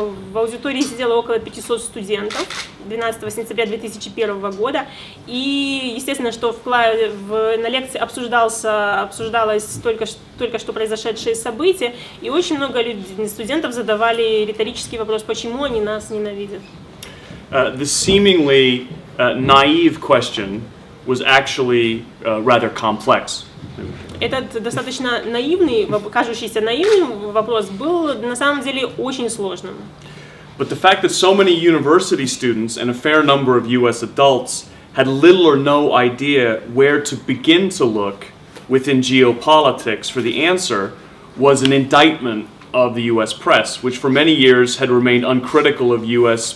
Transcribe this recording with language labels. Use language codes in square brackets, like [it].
[ru] В аудитории сидело около 500 студентов 12 сентября 2001 года. И естественно, что на лекции обсуждалось только что произошедшие события. И очень много студентов задавали риторический вопрос, почему они нас ненавидят. [en] The seemingly naive question was actually rather complex. [ru] Этот достаточно наивный, кажущийся наивным вопрос был на самом деле очень сложным. [en] But the fact that so many university students and a fair number of US adults had little or no idea where to begin to look within geopolitics for the answer was an indictment of the U.S. press, which for many years had remained uncritical of U.S.